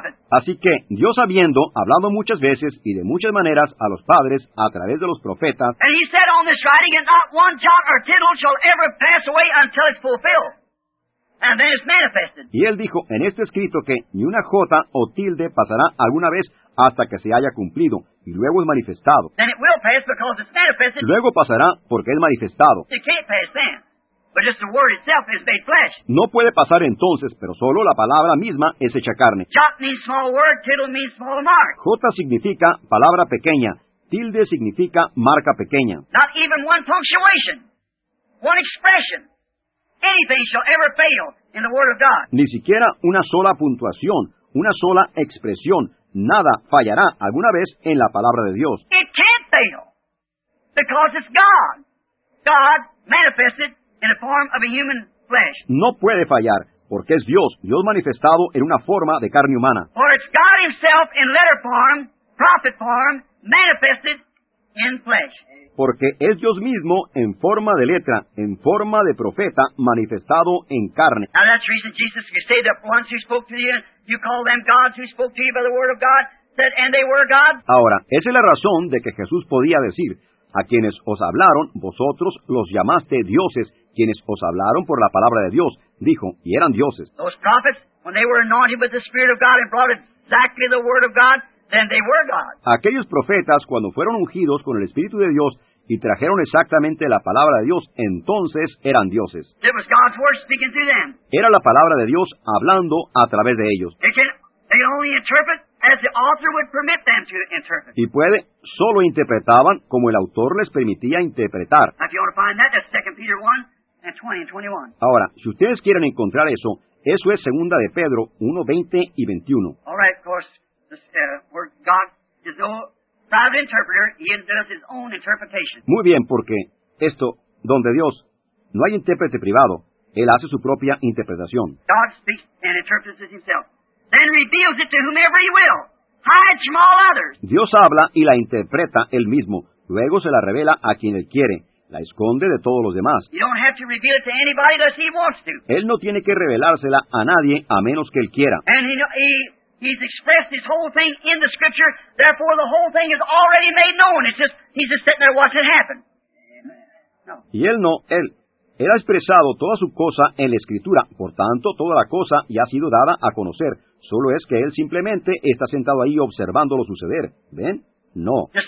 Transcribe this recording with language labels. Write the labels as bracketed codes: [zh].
[es] Así que, Dios habiendo hablado muchas veces y de muchas maneras a los padres a través de los profetas, [en] and he said on this writing, and not one jot or tittle shall ever pass away until it's fulfilled. And then it's manifested. [es] Y él dijo en este escrito que ni una jota o tilde pasará alguna vez hasta que se haya cumplido, y luego es manifestado. [en] Then it will pass because it's manifested. [es] Luego pasará porque es manifestado. [en] It can't pass then. But just the word itself is made flesh. [es] No puede pasar entonces, pero solo la palabra misma es hecha carne. [en] Jot means small word, tittle means small mark. [es] Jota significa palabra pequeña, tilde significa marca pequeña. [en] Not even one punctuation, one expression, anything shall ever fail in the word of God. [es] Ni siquiera una sola puntuación, una sola expresión, nada fallará alguna vez en la palabra de Dios. [en] It can't fail, because it's God. God manifested in the form of a human flesh. [es] No puede fallar, porque es Dios, Dios manifestado en una forma de carne humana. [en] For it's God himself in letter form, prophet form, manifested in flesh. [es] Porque es Dios mismo en forma de letra, en forma de profeta, manifestado en carne. [en] Now that's the reason Jesus could say that once he spoke to you, you call them gods who spoke to you by the word of God, said, and they were gods. [es] Ahora, esa es la razón de que Jesús podía decir, a quienes os hablaron, vosotros los llamaste dioses, quienes os hablaron por la palabra de Dios, dijo, y eran dioses. [en] Those prophets, when they were anointed with the Spirit of God and brought exactly the word of God, then they were gods. [es] Aquellos profetas, cuando fueron ungidos con el Espíritu de Dios y trajeron exactamente la palabra de Dios, entonces eran dioses. [en] It was God's word speaking through them. [es] Era la palabra de Dios hablando a través de ellos. [en] They only interpret as the author would permit them to interpret. [es] Y puede, solo interpretaban como el autor les permitía interpretar. [en] Now, if you want to find that, that's 2 Peter 1 and 20 and 21. [es] Ahora, si ustedes quieren encontrar eso, eso es 2 de Pedro 1, 20 y 21. [en] All right, of course, this, where God is no private interpreter, he does his own interpretation. [es] Muy bien, porque esto, donde Dios, no hay intérprete privado, él hace su propia interpretación. [en] God speaks and interprets it himself. Then reveals it to whomever he will, high and small others. [es] Dios habla y la interpreta él mismo. Luego se la revela a quien él quiere. La esconde de todos los demás. [en] You don't have to reveal it to anybody unless he wants to. [es] Él no tiene que revelársela a nadie a menos que él quiera. [en] And he's expressed his whole thing in the Scripture. Therefore, the whole thing is already made known. It's just he's just sitting there watching it happen. [es] Y él no, él. Él ha expresado toda su cosa en la Escritura, por tanto, toda la cosa ya ha sido dada a conocer. Solo es que él simplemente está sentado ahí observándolo suceder. ¿Ven? No.